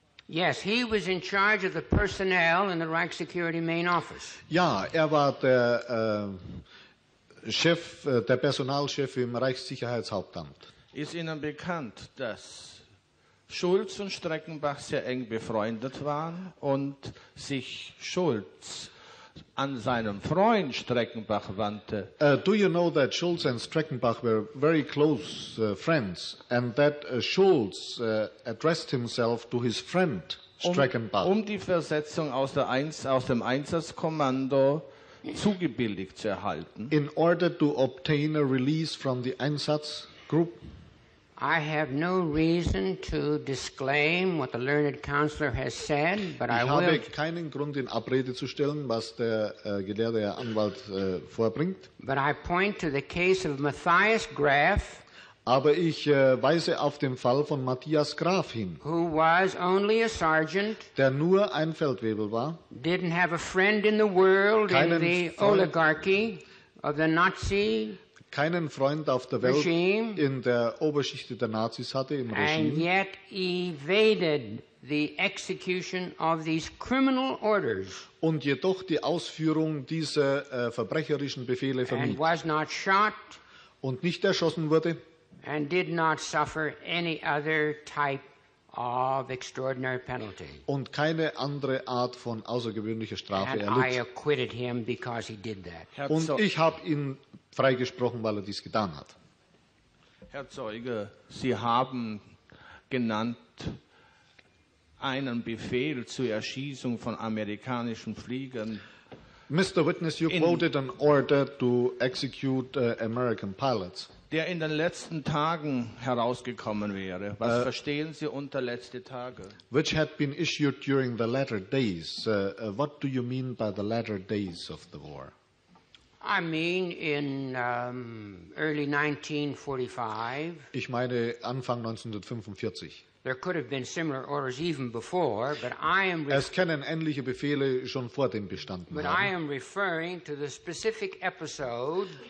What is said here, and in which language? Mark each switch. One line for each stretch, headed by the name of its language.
English: Yes, he was in charge of the personnel in the Reich Security Main Office.
German: Ja, er war der Chef, der Personalchef im Reichssicherheitshauptamt. Ist Ihnen bekannt, dass Schulz und Streckenbach sehr eng befreundet waren und sich Schulz an seinen Freund Streckenbach wandte?
English: Do you know that Schulz and Streckenbach were very close friends and that Schulz addressed himself to his friend Streckenbach?
German: Um die Versetzung aus dem Einsatzkommando zugebilligt zu erhalten.
English: In order to obtain a release from the Einsatzgruppe. I have no reason to disclaim what the learned counselor has said, but
German: ich
English: I will.
German: Ich habe keinen Grund, in Abrede zu stellen, was der gelehrte Anwalt vorbringt.
English: But I point to the case of Matthias Graf.
German: Aber ich weise auf den Fall von Matthias Graf hin.
English: Who was only a sergeant?
German: Der nur ein Feldwebel war.
English: Didn't have a friend in the world in the oligarchy of the Nazi.
German: Keinen Freund auf der Welt
English: regime,
German: in der Oberschicht der Nazis hatte, im
English: and
German: Regime.
English: Yet evaded the execution of these criminal orders,
German: und jedoch die Ausführung dieser verbrecherischen Befehle vermied.
English: And was not shot,
German: und nicht erschossen wurde.
English: And did not suffer any other type of extraordinary penalty.
German: Und keine andere Art von außergewöhnlicher Strafe
English: and
German: erlitt.
English: I acquitted him because he did that.
German: Und ich habe ihn freigesprochen, weil er dies getan hat. Herr Zeuge, Sie haben genannt, einen Befehl zur Erschießung von amerikanischen Fliegern.
English: Mr. Witness, you quoted an order to execute American pilots.
German: Der in den letzten Tagen herausgekommen wäre. Was verstehen Sie unter letzte Tage?
English: Which had been issued during the latter days. What do you mean by the latter days of the war? I mean in early 1945.
German: Ich meine Anfang 1945.
English: There could have been similar orders even before, but I am.
German: Es können ähnliche Befehle schon vor dem bestanden
English: but
German: haben.
English: But I am referring to the specific episode.